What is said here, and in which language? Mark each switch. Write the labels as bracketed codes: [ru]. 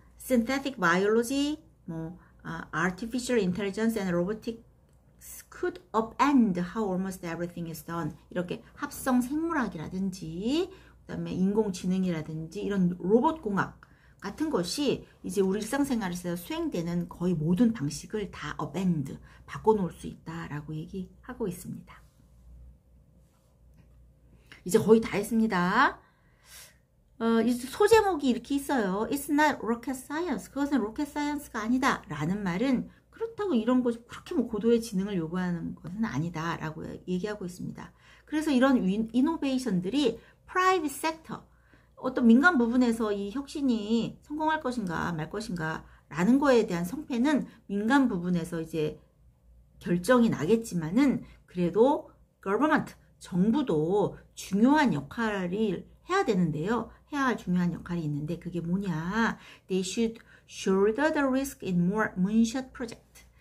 [en] synthetic biology, 뭐, artificial intelligence and robotics could upend how almost everything is done. [ko] 이렇게 합성 생물학이라든지, 그 다음에 인공지능이라든지, 이런 로봇공학 같은 것이 이제 우리 일상생활에서 수행되는 거의 모든 방식을 다 upend, 바꿔놓을 수 있다라고 얘기하고 있습니다. 이제 거의 다 했습니다. 소제목이 이렇게 있어요. [en] It's not rocket science. [ko] 그것은 rocket science가 아니다. 라는 말은 그렇다고 이런 것이 그렇게 뭐 고도의 지능을 요구하는 것은 아니다. 라고 얘기하고 있습니다. 그래서 이런 이노베이션들이 private sector, 어떤 민간 부분에서 이 혁신이 성공할 것인가 말 것인가 라는 거에 대한 성패는 민간 부분에서 이제 결정이 나겠지만은 그래도 government, 정부도 중요한 역할을 해야 되는데요. 해야 할 중요한 역할이 있는데 그게 뭐냐. [en] They should shoulder the risk in more moonshot project.